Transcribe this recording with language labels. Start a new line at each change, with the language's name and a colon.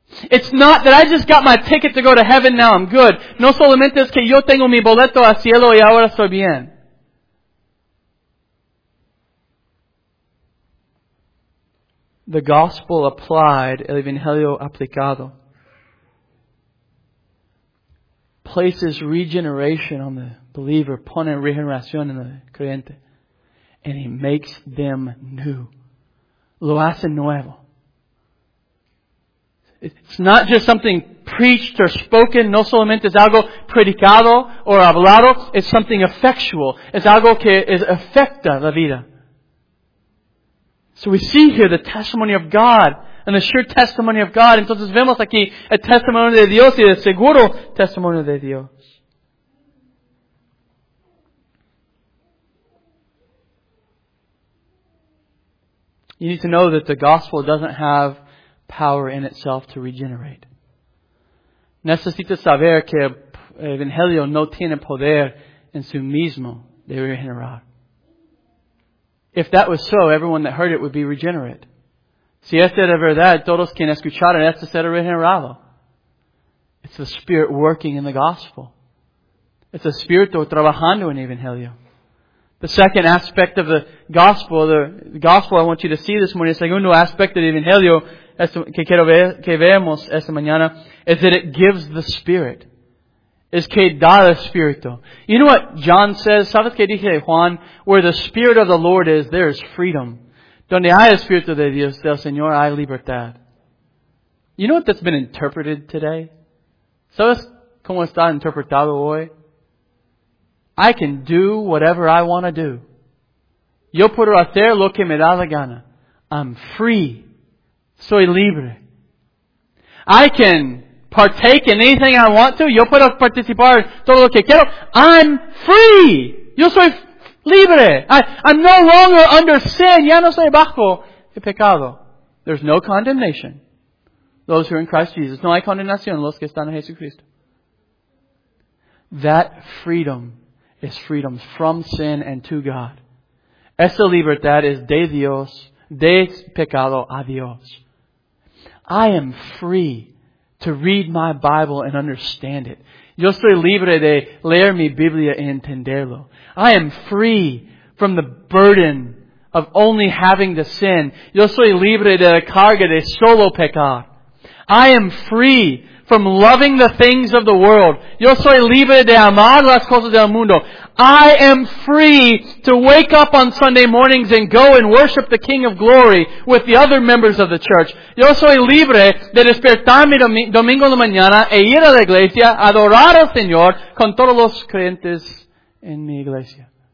English: It's not that I just got my ticket to go to heaven, now I'm good.
Spanish: No solamente es que yo tengo mi boleto al cielo y ahora estoy bien.
English: The gospel applied,
Spanish: el Evangelio aplicado,
English: places regeneration on the believer,
Spanish: pone regeneración en el creyente,
English: and he makes them new.
Spanish: Lo hace nuevo.
English: It's not just something preached or spoken,
Spanish: no solamente es algo predicado or hablado,
English: it's something effectual.
Spanish: Es algo que afecta la vida.
English: So we see here the testimony of God. And the sure testimony of God.
Spanish: Entonces vemos aquí el testimonio de Dios y el seguro testimonio de Dios.
English: You need to know that the gospel doesn't have power in itself to regenerate.
Spanish: Necesitas saber que evangelio no tiene poder en su mismo de regenerar.
English: If that was so, everyone that heard it would be regenerate.
Spanish: Si esta era verdad, todos quienes escucharon esto serían regenerados.
English: It's the Spirit working in the gospel. It's the
Spanish: Espíritu trabajando en el evangelio.
English: The second aspect of the gospel I want you to see this morning,
Spanish: el segundo aspecto del evangelio que quiero ver, que vemos esta mañana,
English: is that it gives the Spirit.
Spanish: Es que da el Espíritu.
English: You know what John says?
Spanish: ¿Sabes qué dice Juan?
English: Where the Spirit of the Lord is, there is freedom.
Spanish: Donde hay el Espíritu de Dios, del Señor, hay libertad.
English: You know what that's been interpreted today?
Spanish: ¿Sabes cómo está interpretado hoy?
English: I can do whatever I want to do.
Spanish: Yo puedo hacer lo que me da la gana.
English: I'm free.
Spanish: Soy libre.
English: I can partake in anything I want to.
Spanish: Yo puedo participar todo lo que quiero.
English: I'm free.
Spanish: Yo soy libre.
English: I'm no longer under sin.
Spanish: Ya no soy bajo el pecado.
English: There's no condemnation. Those who are in Christ Jesus.
Spanish: No hay condenación. Los que están en Jesucristo.
English: That freedom is freedom from sin and to God.
Spanish: Esa libertad es de Dios, de pecado a Dios.
English: I am free to read my Bible and understand it.
Spanish: Yo soy libre de leer mi Biblia y entenderlo.
English: I am free from the burden of only having to sin.
Spanish: Yo soy libre de la carga de solo pecar.
English: I am free from loving the things of the world.
Spanish: Yo soy libre de amar las cosas del mundo.
English: I am free to wake up on Sunday mornings and go and worship the King of Glory with the other members of the church.
Spanish: Yo soy libre de despertarme domingo en la mañana e ir a la iglesia a adorar al Señor con todos los creyentes en mi iglesia.